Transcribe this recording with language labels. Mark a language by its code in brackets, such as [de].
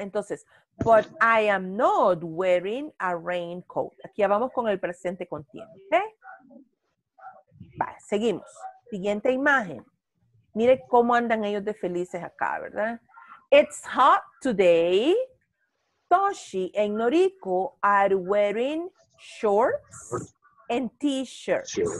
[en] Entonces, but I am not wearing a raincoat. [es] Aquí ya vamos con el presente continuo, ¿ok? Va, seguimos. Siguiente imagen. Mire cómo andan ellos de felices acá, ¿verdad? [en] It's hot today. Toshi and Noriko are wearing shorts and t-shirts.